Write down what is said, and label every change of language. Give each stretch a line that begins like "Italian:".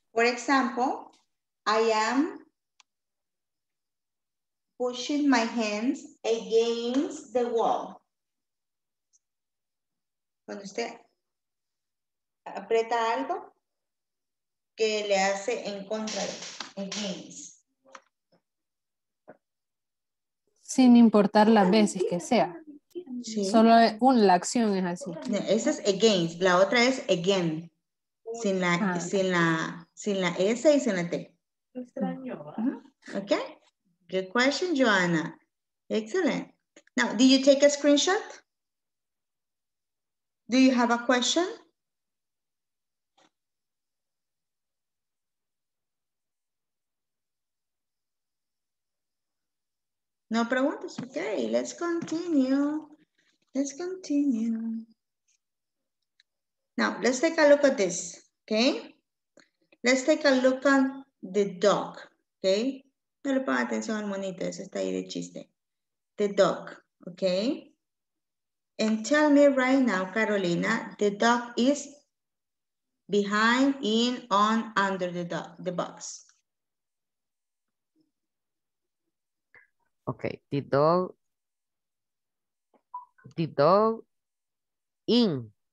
English: For example, I am pushing my hands against the wall.
Spanish: Cuando usted aprieta algo que le hace en contra, against. Sin importar las veces que sea. Sí. Solo una, la acción es así. No, esa es against. La otra es again. Sin la, sin la S y sin la T. Extraño.
English: Okay. Good question, Joanna. Excellent. Now, did you take a screenshot? Do you have a question?
Spanish: No preguntas.
English: Okay, let's continue. Let's continue. Now, let's take a look at this. Okay? Let's take a look at the dog. Okay?
Spanish: No le pongan atención al monito, eso está ahí de chiste.
English: The dog. Okay? And tell me right now, Carolina, the dog is behind, in, on, under the dog, the box. Okay, the dog in.